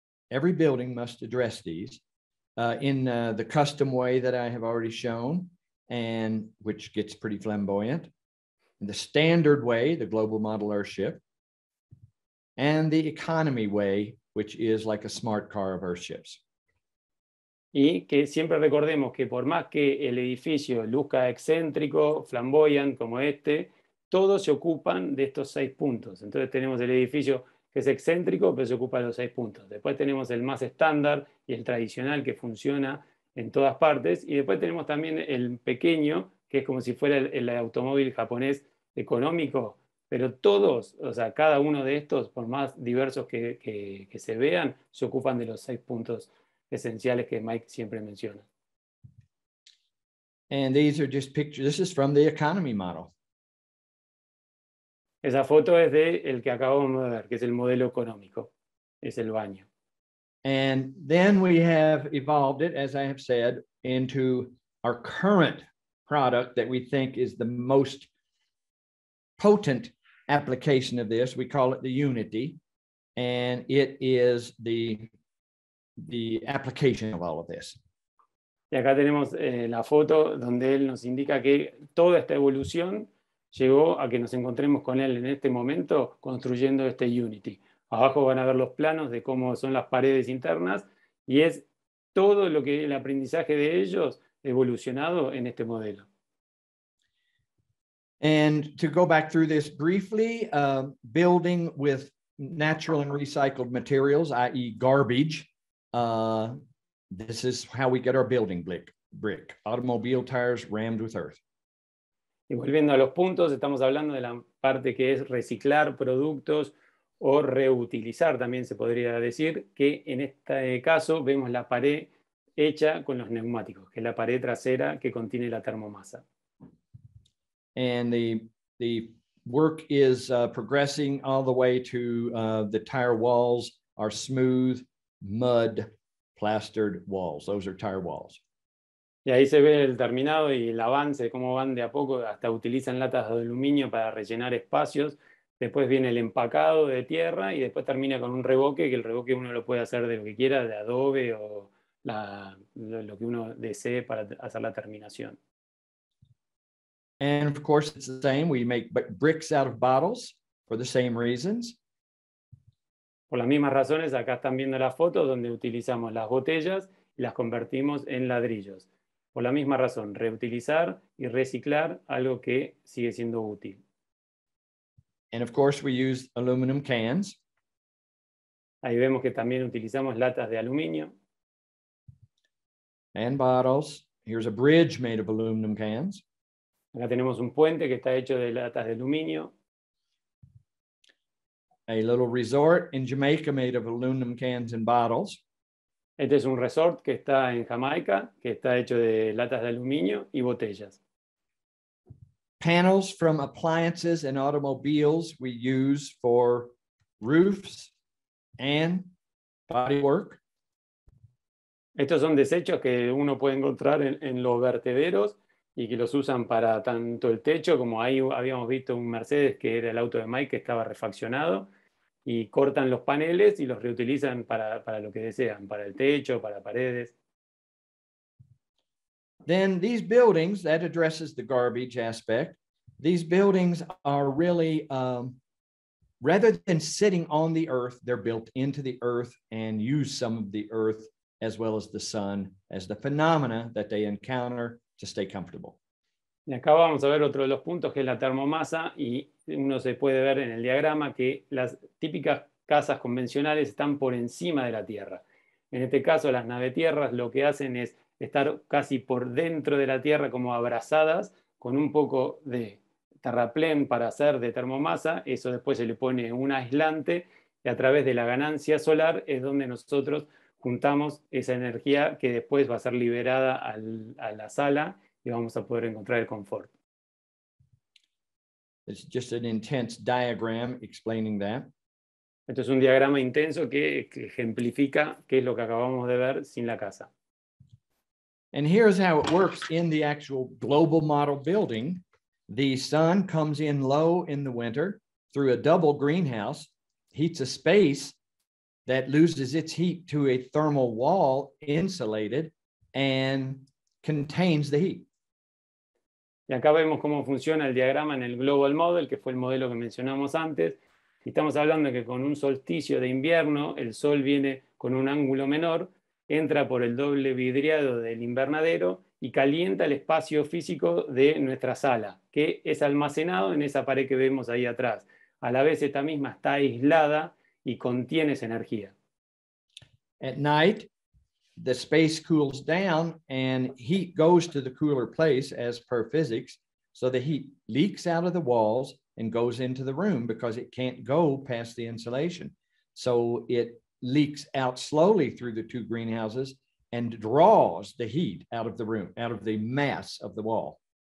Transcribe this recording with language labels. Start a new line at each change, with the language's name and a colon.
English: Every building must address these in the custom way that I have already shown, and which gets pretty flamboyant. The standard way, the global model Earthship, and the economy way, which is like a smart car of Earthships.
Spanish: Y que siempre recordemos que por más que el edificio luzca excéntrico, flamboyant como este, todos se ocupan de estos 6 puntos. Entonces tenemos el edificio que es excéntrico, pero se ocupa de los 6 puntos. Después tenemos el más estándar y el tradicional, que funciona en todas partes. Y después tenemos también el pequeño, que es como si fuera el automóvil japonés económico. Pero todos, o sea, cada uno de estos, por más diversos que se vean, se ocupan de los 6 puntos esenciales que Mike siempre menciona.
English: And these are just pictures. This is from the economy model.
Spanish: Esa foto es de el que acabamos de ver, que es el modelo económico. Es el baño.
English: And then we have evolved it, as I have said, into our current product that we think is the most potent application of this. We call it the Unity. And it is the application of all of this.
Spanish: Y acá tenemos la foto donde él nos indica que toda esta evolución llegó a que nos encontremos con él en este momento construyendo este Unity. Abajo van a ver los planos de cómo son las paredes internas, y es todo lo que el aprendizaje de ellos evolucionado en este modelo.
English: And to go back through this briefly, building with natural and recycled materials, i.e. garbage. This is how we get our building brick, automobile tires rammed with earth.
Spanish: Y volviendo a los puntos, estamos hablando de la parte que es reciclar productos o reutilizar, también se podría decir, que en este caso vemos la pared hecha con los neumáticos, que es la pared trasera que contiene la termomasa.
English: And the work is progressing all the way to the tire walls are smooth, mud plastered walls. Those are tire walls.
Spanish: Y ahí se ve el terminado y el avance, cómo van de a poco, hasta utilizan latas de aluminio para rellenar espacios. Después viene el empacado de tierra y después termina con un revoque, que el revoque uno lo puede hacer de lo que quiera, de adobe o lo que uno desee para hacer la terminación.
English: And of course it's the same, we make bricks out of bottles for the same reasons.
Spanish: Por las mismas razones, acá están viendo la foto donde utilizamos las botellas y las convertimos en ladrillos. Por la misma razón, reutilizar y reciclar algo que sigue siendo útil.
English: And of course we use aluminum cans.
Spanish: Ahí vemos que también utilizamos latas de aluminio.
English: And bottles. Here's a bridge made of aluminum cans.
Spanish: Acá tenemos un puente que está hecho de latas de aluminio.
English: A little resort in Jamaica made of aluminum cans and bottles.
Spanish: Este es un resort que está en Jamaica, que está hecho de latas de aluminio y botellas.
English: Panels from appliances and automobiles we use for roofs and bodywork.
Spanish: Estos son desechos que uno puede encontrar en los vertederos y que los usan para tanto el techo, como ahí habíamos visto un Mercedes, que era el auto de Mike, que estaba refaccionado, y cortan los paneles y los reutilizan para lo que desean, para el techo, para paredes.
English: Then these buildings, that addresses the garbage aspect, these buildings are really, rather than sitting on the earth, they're built into the earth and use some of the earth as well as the sun as the phenomena that they encounter to stay comfortable.
Spanish: Y acá vamos a ver otro de los puntos, que es la termomasa, y uno se puede ver en el diagrama que las típicas casas convencionales están por encima de la tierra. En este caso, las navetierras lo que hacen es estar casi por dentro de la tierra, como abrazadas, con un poco de terraplén para hacer de termomasa. Eso después se le pone un aislante, y a través de la ganancia solar es donde nosotros juntamos esa energía que después va a ser liberada a la sala y vamos a poder encontrar el confort.
English: It's just an intense diagram explaining that.
Spanish: Esto es un diagrama intenso que ejemplifica qué es lo que acabamos de ver sin la casa.
English: And here's how it works in the actual global model building. The sun comes in low in the winter through a double greenhouse, heats a space that loses its heat to a thermal wall insulated and contains the heat.
Spanish: Y acá vemos cómo funciona el diagrama en el global model, que fue el modelo que mencionamos antes. Y estamos hablando de que con un solsticio de invierno, el sol viene con un ángulo menor, entra por el doble vidriado del invernadero y calienta el espacio físico de nuestra sala, que es almacenado en esa pared que vemos ahí atrás. A la vez, esta misma está aislada y contiene esa energía.
English: At night, the space cools down and heat goes to the cooler place as per physics. So the heat leaks out of the walls and goes into the room because it can't go past the insulation. So it leaks out slowly through the two greenhouses and draws the heat out of the room, out of the mass of the wall.